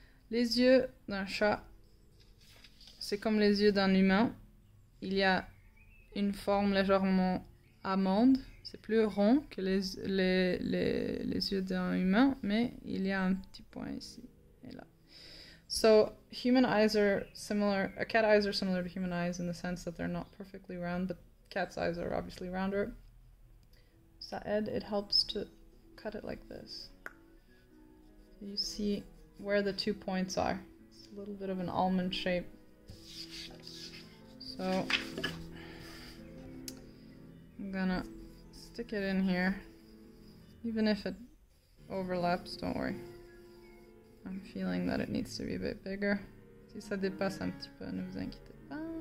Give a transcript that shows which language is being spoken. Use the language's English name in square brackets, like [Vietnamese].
[French] Les yeux d'un chat, c'est comme les yeux d'un humain. Il y a une forme légèrement amande. C'est plus rond que les yeux d'un humain, mais il y a un petit point ici et là. [English] So, human eyes are similar. A cat eyes are similar to human eyes in the sense that they're not perfectly round, but cat's eyes are obviously rounder. [French] Ça aide. [English] It helps to cut it like this. You see where the two points are. It's a little bit of an almond shape. So I'm gonna stick it in here. Even if it overlaps, don't worry. I'm feeling that it needs to be a bit bigger. [French] Si ça dépasse un petit peu, ne vous inquiétez pas.